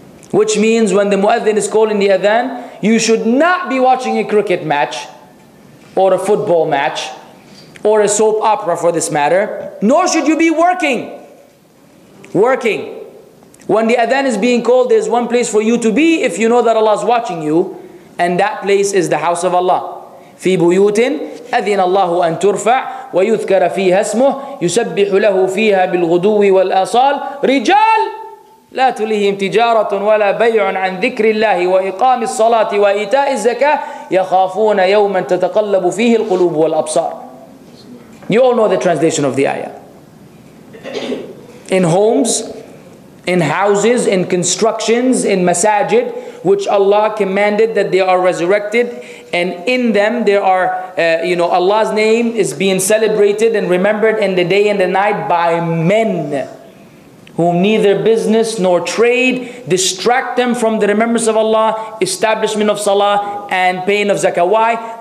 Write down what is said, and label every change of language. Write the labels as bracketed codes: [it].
[en] Which means when the muadhin is calling the adhan, you should not be watching a cricket match or a football match or a soap opera for this matter, nor should you be working. Working. When the adhan is being called, there's one place for you to be if you know that Allah is watching you, and that place is the house of Allah. [ar] في بيوت أذن الله أن ترفع ويذكر فيها اسمه يسبح له فيها بالغدو والآصال رجال لا تلهم تجارة ولا بيع عن ذكر الله وإقام الصلاة وإيتاء الزكاة يخافون يوما تتقلب فيه القلوب والأبصار. [en] You all know the translation of the ayah. In homes, in houses, in constructions, in masajid, which Allah commanded that they are resurrected, and in them there are, Allah's name is being celebrated and remembered in the day and the night by men whom neither business nor trade distract them from the remembrance of Allah, establishment of salah, and paying of zakah. Why?